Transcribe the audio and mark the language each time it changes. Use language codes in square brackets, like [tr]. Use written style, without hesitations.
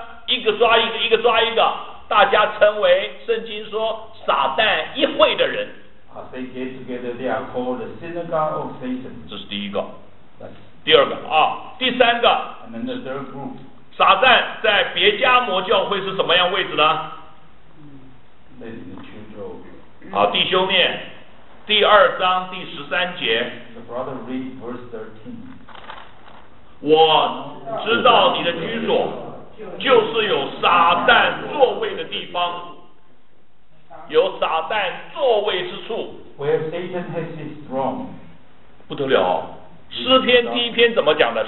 [zh] 一个抓一个，一个抓一个，大家成为圣经说撒旦一会的人。 [en] As they get together, they are called the synagogue of Satan. [zh] 这是第一个。 [en] That's [zh] 第二个啊，第三个。 [en] And then the third group. [zh] 撒旦在别加摩教会是什么样位置呢？ [en] Ladies and children. [zh] 好，弟兄们。第二章第十三节。 [en] The brother read verse 13. [zh] 我知道你的居所，就是有撒旦座位的地方，有撒旦座位之处。 [en] Where Satan has his throne. [zh] 不得了，诗篇第一篇怎么讲的？